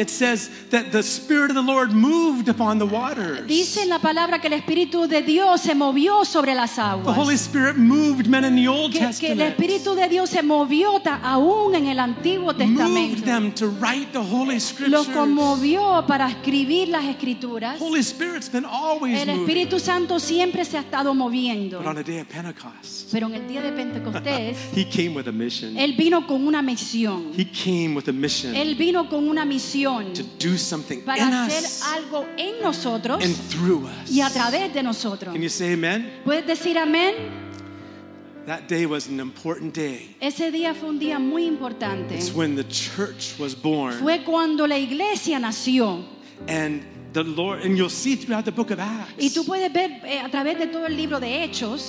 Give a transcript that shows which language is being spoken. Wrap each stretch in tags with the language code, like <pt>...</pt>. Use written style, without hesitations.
<en>It says that the Spirit of the Lord moved upon the waters.</en> <es>Dice en la palabra que el Espíritu de Dios se movió sobre las aguas.</es> <en>The Holy Spirit moved men in the Old Testament.</en> <es>Que el Espíritu de Dios se movió aún en el Antiguo Testamento.</es> <en>Moved them to write the Holy Scriptures.</en> <es>Los conmovió para escribir las Escrituras.</es> <en>Holy Spirit's been always moving.</en> <es>El Espíritu Santo siempre se ha estado moviendo.</es> <en>But on the day of Pentecost,</en> <es>pero en el día de Pentecostés,</es> <en>he came with a mission.</en> <es>Él vino con una misión.</es> <en>He came with a mission.</en> <es>Él vino con una misión.</es> <en>To do something</en> <es>para</es> <en>in</en> <es>hacer</es> <en>us</en> <es>algo en nosotros</es> <en>and through us.</en> <es>Y a través de nosotros.</es> <en>Can you say amen?</en> <es>¿Puedes decir amén?</es> <en>That day was an important day.</en> <es>Ese día fue un día muy importante.</es> <en>It's when the church was born.</en> <es>Fue cuando la iglesia nació.</es> <en>And the Lord, and you'll see throughout the book of Acts.</en> <es>Y tú puedes ver a través de todo el libro de Hechos.</es>